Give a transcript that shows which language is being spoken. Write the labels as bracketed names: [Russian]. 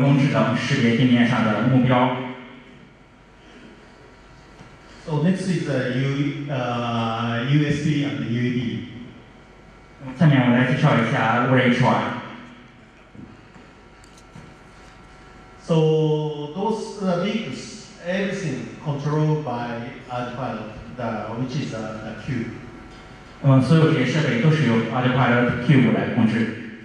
[Chinese] 无人机在现场上空飞行，用人工智能识别地面上的目标。 [English] So next is the USB and the UAV. [Chinese] 下面我来介绍一下无人船。 [English] So those vehicles, everything controlled by ArduPilot, which is the cube. [Chinese] 所有这些设备都是由 ArduPilot Cube 来控制。